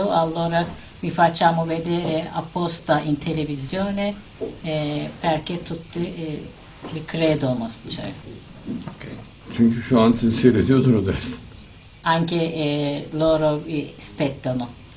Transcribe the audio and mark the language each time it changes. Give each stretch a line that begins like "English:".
Italian: Allora vi facciamo vedere apposta in televisione perché tutti vi credono, cioè. Okay.
Turkish: Çünkü şu an sizi seyrediyordur o ders.
Italian: Anche loro vi aspettano.